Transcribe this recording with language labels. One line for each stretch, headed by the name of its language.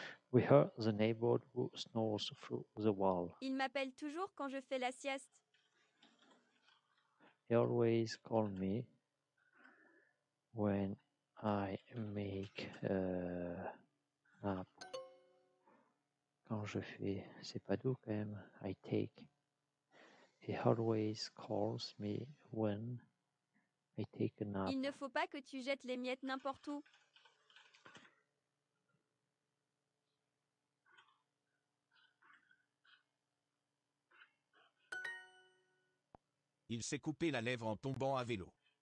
English: We heard the neighbor who snores through the wall.
French: Il m'appelle toujours quand je fais la sieste.
English: He always calls me when I make a nap.
French: Quand je fais, c'est pas doux quand même.
English: I take. He always calls me when I take a nap.
French: Il ne faut pas que tu jettes les miettes n'importe où. Il s'est coupé la lèvre en tombant à vélo.